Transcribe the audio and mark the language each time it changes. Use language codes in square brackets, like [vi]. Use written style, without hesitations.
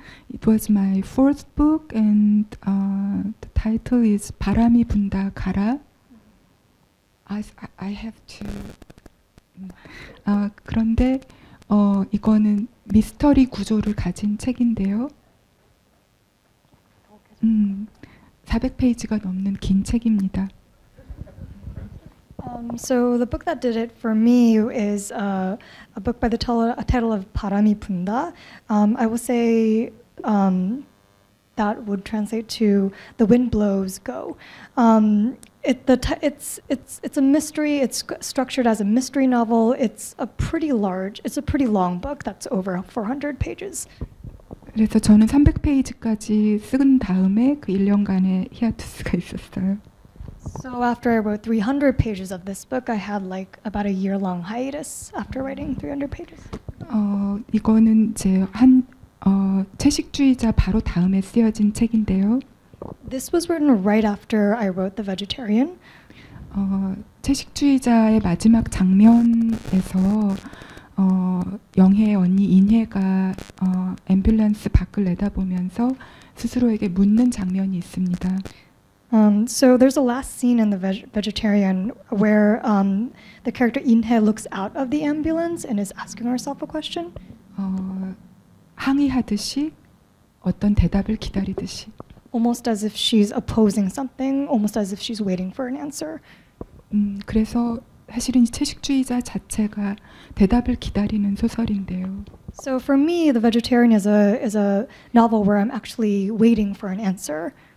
[en] It was my first book, and the title is 바람이 분다 가라. I have to... [ko] 그런데 이거는 미스터리 구조를 가진 책인데요. 400페이지가 넘는 긴 책입니다. [en] So the book that did it for me is a book by the title of 바람이 분다. I will say that would translate to "The Wind Blows, Go." It's a mystery. It's structured as a mystery novel. It's a pretty long book. That's over 400 pages. [ko] 그래서 저는 300페이지까지 쓴 다음에 그 1년간의 히아투스가 있었어요. [en] So after I wrote 300 pages of this book, I had like about a year-long hiatus after writing 300 pages. [ko] 이거는 제 한 채식주의자 바로 다음에 쓰여진 책인데요. [en] This was written right after I wrote The Vegetarian. [ko] 채식주의자의 마지막 장면에서 영혜의 언니 인혜가 앰뷸런스 밖을 내다보면서 스스로에게 묻는 장면이 있습니다. [en] So there's a last scene in The Vegetarian where the character Inhae looks out of the ambulance and is asking herself a question. [ko] 항의하듯이 어떤 대답을 기다리듯이. [en] Almost as if she's opposing something, almost as if she's waiting for an answer. [ko] 그래서 사실은 이 채식주의자 자체가 대답을 기다리는 소설인데요. [en] So for me, The Vegetarian is a novel where I'm actually waiting for an answer.